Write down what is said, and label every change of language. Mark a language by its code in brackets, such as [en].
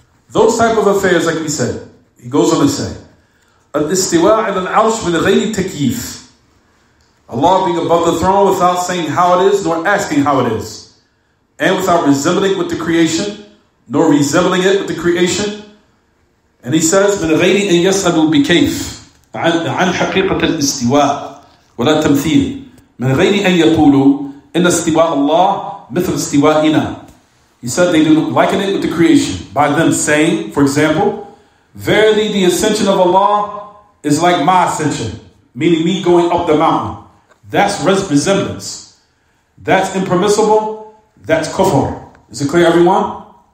[en] Those type of affairs, like we said, he goes on to say, [ar] al-istiwa' ala al-'arsh min ghayri takyif. [en] Allah being above the throne without saying how it is, nor asking how it is, and without resembling with the creation, nor resembling it with the creation. And he says, [ar] من غير أن يسألوا بكيف عن حقيقة الاستواء ولا تمثيل من غير أن يقولوا إن استواء الله مثل استواءنا. [en] He said they do not liken it with the creation by them saying, for example, verily the ascension of Allah is like my ascension, meaning me going up the mountain. That's resemblance. That's impermissible. That's kufr. Is it clear, everyone?